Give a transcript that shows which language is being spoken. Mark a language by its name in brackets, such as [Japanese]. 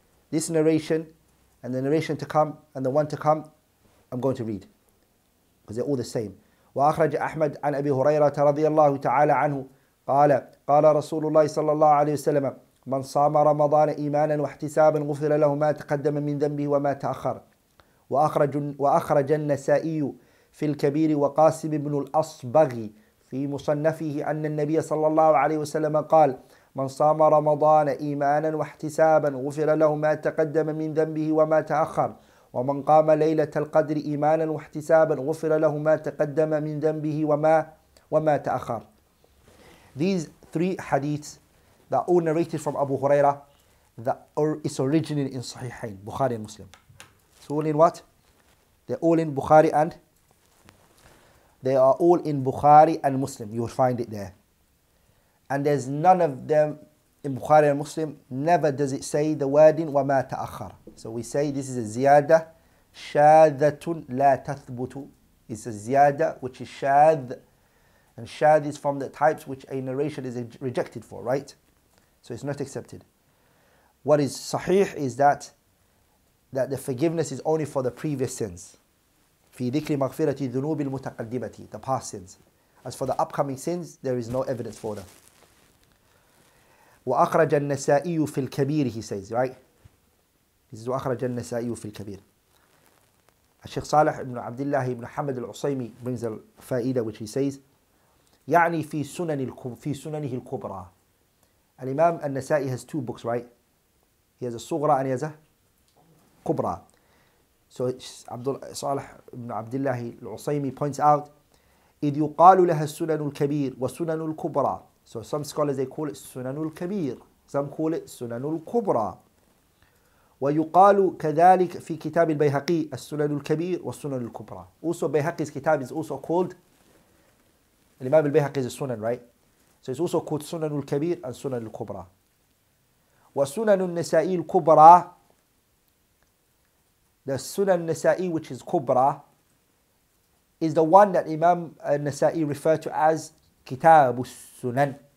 [English] This narration and the narration to come and the one to come, I'm going to read because they're all the same. [Arabic] وأخرج أحمد عن أبي هريرة رضي الله تعالى عنه قال قال رسول الله صلى الله عليه وسلم من صام رمضان إيمانا واحتسابا غفر له ما تقدم من ذنبه وما تأخر. وأخرج النسائي في الكبير وقاسم بن الأصبغ في مصنفه أن النبي صلى الله عليه وسلم قال من صام رمضان إيمانا واحتسابا غفر له ما تقدم من ذنبه وما تأخر ومن قام ليلة القدر إيمانا واحتسابا غفر له ما تقدم من ذنبه وما تأخر. [English] These three hadiths that are all narrated from Abu Huraira is originally in Sahihain, Bukhari and Muslim. It's all in what? They're all in Bukhari and they are all in Bukhari and Muslim. You'll find it there. And there's none of them in Bukhari and Muslim. Never does it say the wording [Arabic] وَمَا تَأَخَّرَ. [English] So we say this is a ziyada [Arabic] شَاذَةٌ لَا تَثْبُتُ. [English] It's a ziyada which is شَاذ. And شَاذ is from the types which a narration is rejected for, right? So it's not accepted. What is sahih is that the forgiveness is only for the previous sins. [Arabic] في ذكر مغفرة الذنوب المتقدمة, [English] the past sins. As for the upcoming sins, there is no evidence for them. [Arabic] وأخرج النسائي في الكبير, [English] he says, right? This is [Arabic] وأخرج النسائي في الكبير. الشيخ صالح بن عبد الله بن حمد العصيمي [English] brings a [Arabic] فائدة [English] which he says, [Arabic] يعني في سنن في سننه الكبرى. [English] الإمام النسائي has two books, right? He has a صغرى and he has a كبرى. [Arabic] So صالح بن عبد الله العصيمي [English] points out, [Arabic] إذ يقال لها السنن الكبير وسنن الكبرى. [English] So some scholars, they call it سنن الكبير. Some call it سنن الكبرى. [Arabic] ويقال كذلك في كتاب البيهقي السنن الكبير والسنن الكبرى. [English] Also Bayhaqi's kitab is also called, الإمام البيهقي is a sunan, right? So it's also called سنن الكبير and سنن الكبرى. وسنن النسائي الكبرى, the Sunan Nasa'i, which is Kubra, is the one that Imam Nasa'i referred to as Kitab al-Sunan.